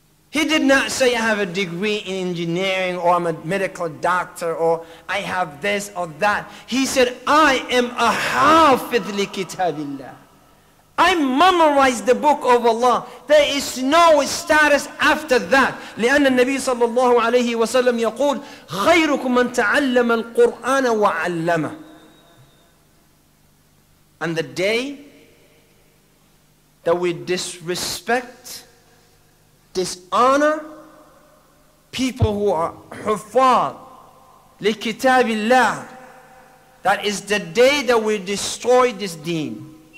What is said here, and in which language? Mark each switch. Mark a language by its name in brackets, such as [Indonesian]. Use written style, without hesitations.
[English] He did not say, I have a degree in engineering, or I'm a medical doctor, or I have this or that. He said, I am a hafidh li kitabillah. I memorized the book of Allah. There is no status after that. [Arabic] لأن النبي صلى الله عليه وسلم يقول خيركم من تعلم القرآن وعلمه. [English] And the day that we disrespect, dishonor people who are [Arabic] حفاظ لكتاب الله, [English] that is the day that we destroy this deen.